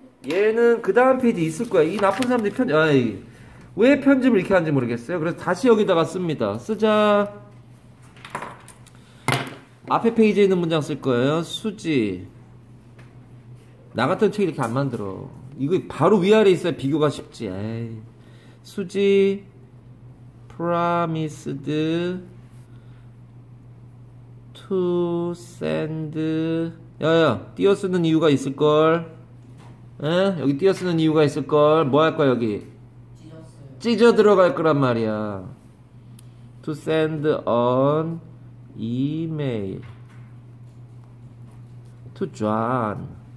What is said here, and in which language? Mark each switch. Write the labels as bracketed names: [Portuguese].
[Korean] 얘는 그 다음 페이지 있을 거야. 이 나쁜 사람들이 편 아이 왜 편집을 이렇게 하는지 모르겠어요. 그래서 다시 여기다가 씁니다. 쓰자. 앞에 페이지에 있는 문장 쓸 거예요. 수지 나 같은 책 이렇게 안 만들어. 이거 바로 위아래 있어야 비교가 쉽지. 에이. [English] 수지 promised to send. [Korean] 야야 띄어 쓰는 이유가 있을걸. 에? 여기 띄어 쓰는 이유가 있을걸. 뭐 할 거야 여기. 찢어 들어갈 거란 말이야. [English] To send an email to John.